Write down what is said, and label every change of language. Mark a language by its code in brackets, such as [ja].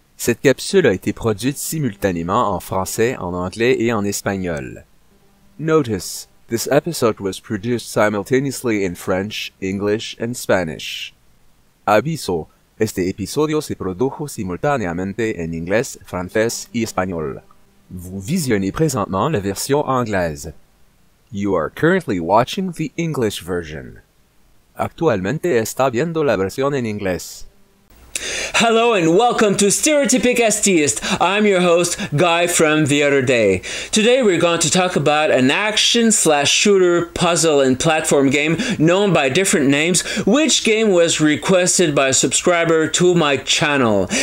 [fr] Cette capsule a été produite simultanément en français, en anglais et en espagnol. [en] Notice. This episode was produced simultaneously in French, English and Spanish. [es] Aviso. Este episodio se produjo simultáneamente en inglés, francés y español. [fr] Vous visionnez présentement la version anglaise. [en] You are currently watching the English version. [es] Actualmente está viendo la versión en inglés. [en] Hello and welcome to STereotypic STeist. I'm your host, Guy from the other day. Today we're going to talk about an action-slash-shooter puzzle and platform game known by different names, which game was requested by a subscriber to my channel.